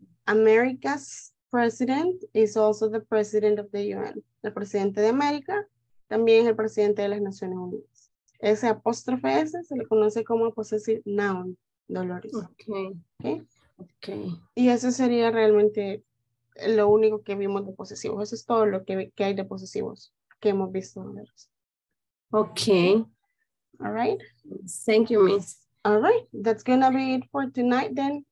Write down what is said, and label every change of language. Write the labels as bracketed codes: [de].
[en] America's president is also the president of the UN. [es] El presidente de América también es el presidente de las Naciones Unidas. Ese apóstrofe S se le conoce como possessive noun, Dolores. [en] Okay. [es] Y eso sería realmente lo único que vimos de posesivos. Eso es todo lo que hay de posesivos que hemos visto. [en] Okay. All right. Thank you, miss. All right. That's going to be it for tonight then.